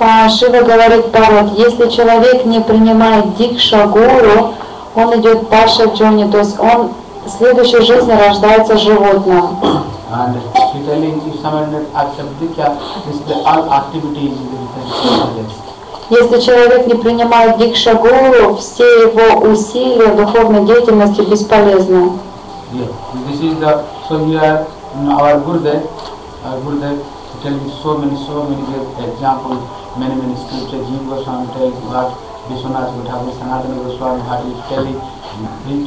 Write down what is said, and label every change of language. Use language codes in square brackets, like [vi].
[ru] Шива говорит Парвати, если человек не принимает Дикша Гуру, он идет Паша Джани, то есть он в следующей жизни рождается животным. [en] And he telling if someone not accept Diksha, this the all activities will be. [ru] Если человек не принимает Дикша Гуру, все его усилия духовной деятельности бесполезны. [en] Yeah, this is the so here our Gurudev Gurudev telling so many examples, many scriptures. Jiva Goswami tells what Vishwanath Bhattacharya, Sanatana Goswami, what he is telling.